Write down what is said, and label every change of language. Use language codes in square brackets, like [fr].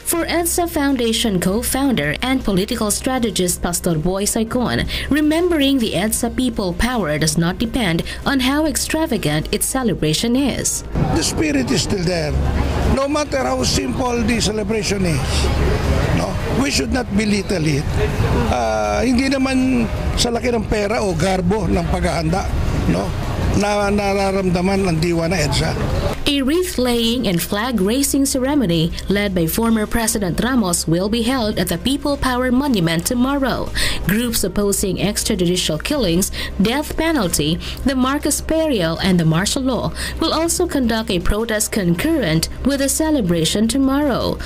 [en] For EDSA Foundation co-founder and political strategist Pastor Boy Saicon, remembering the EDSA People Power does not depend on how extravagant its celebration is. The spirit is still there. No matter how simple the celebration is, no, we should not belittle it. [tl] Hindi naman sa laki ng pera o garbo ng paghahanda, no, na nararamdaman ang diwa na EDSA. [en] A wreath-laying and flag-raising ceremony led by former President Ramos will be held at the People Power Monument tomorrow. Groups opposing extrajudicial killings, death penalty, the Marcos burial, and the martial law will also conduct a protest concurrent with the celebration tomorrow.